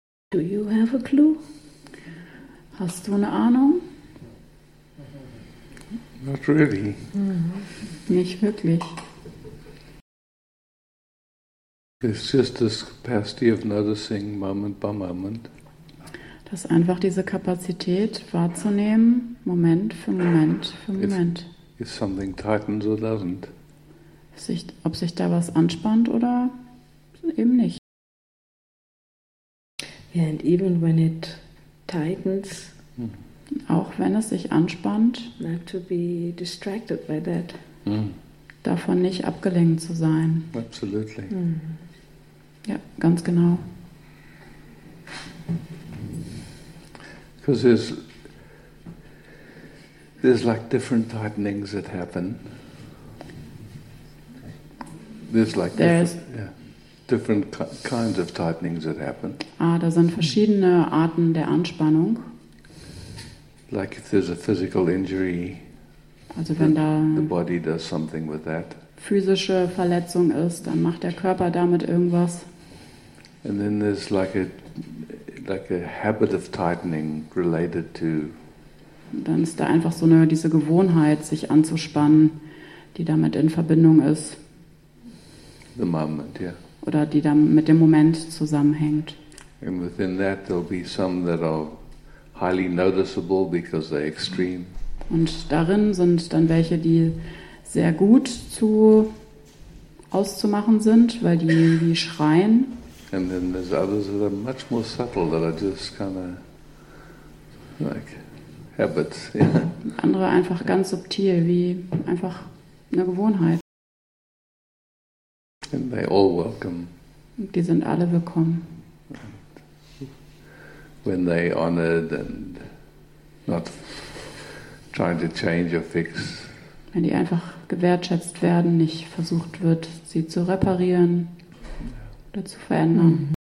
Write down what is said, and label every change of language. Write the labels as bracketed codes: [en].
[en] Do you have a clue? [de] Hast du eine Ahnung? [en] Not really. [de] Nicht wirklich. [en] It's just this capacity of noticing moment by moment. [de] Das ist einfach diese Kapazität wahrzunehmen, Moment für Moment für Moment. [en] If something tightens or doesn't. [de] Ob sich da was anspannt oder eben nicht. [en] Yeah, and even when it tightens, [de] auch wenn es sich anspannt, [en] not to be distracted by that. [de] Davon nicht abgelenkt zu sein. [en] Absolutely. [de] Ja, ganz genau. [en] Because there's like different tightenings that happen. There's like different kinds of tightenings that happen. [de] Ah, da sind verschiedene Arten der Anspannung. [en] Like if there's a physical injury, [de] also wenn da [en] the body does something with that. [de] Physische Verletzung ist, dann macht der Körper damit irgendwas. [en] And then there's like a habit of tightening related to. [de] Dann ist da einfach so eine diese Gewohnheit, sich anzuspannen, die damit in Verbindung ist. [en] The moment, yeah. [de] Oder die dann mit dem Moment zusammenhängt. [en] And within that there'll be some that are highly noticeable because they're extreme. [de] Und darin sind dann welche, die sehr gut auszumachen sind, weil die wie schreien. [en] And then there's others that are much more subtle, that are just kind of like habits. Yeah. [de] Andere einfach ganz subtil, wie einfach eine Gewohnheit. [en] And they all welcome. [de] Die sind alle willkommen. [en] When they honored and not trying to change or fix. [de] Wenn die einfach gewertschätzt werden, nicht versucht wird, sie zu reparieren oder zu verändern.